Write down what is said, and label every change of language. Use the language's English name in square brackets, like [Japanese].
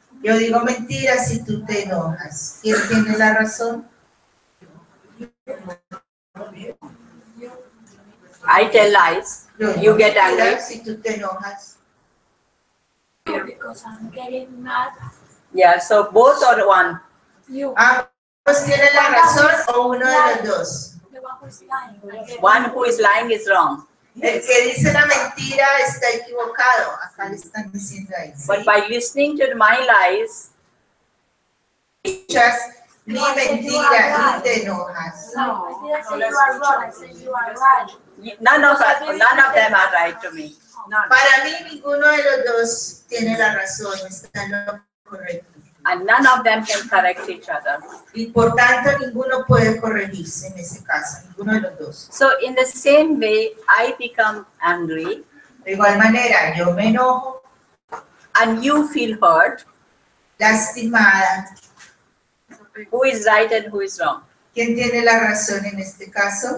[Spanish] Yo digo mentiras y tú te enojas. ¿Quién tiene la razón? [English] I tell lies, [Spanish] no, [English] you get angry. [Spanish] Si tú te enojas. [English] Yeah, so both or one? You. [Spanish] Pues tiene la razón o uno de los dos. [English] One who is lying is wrong. [Spanish] El que dice la mentira está equivocado. Acá le están diciendo ahí. ¿Sí? [English] But by listening to my lies, [Spanish] just mi mentira y te enojas. [English] No, I didn't say you are wrong, I said you are right. None of them are right to me. None. [Spanish] Para mí ninguno de los dos tiene la razón, está lo correcto. [English] And none of them can correct each other. [Spanish] Y por tanto ninguno puede corregirse en ese caso, ninguno de los dos. [English] So in the same way, I become angry. [Spanish] De igual manera, yo me enojo. [English] And you feel hurt. [Spanish] Lastimada. [English] Who is right and who is wrong? [Spanish] ¿Quién tiene la razón en este caso?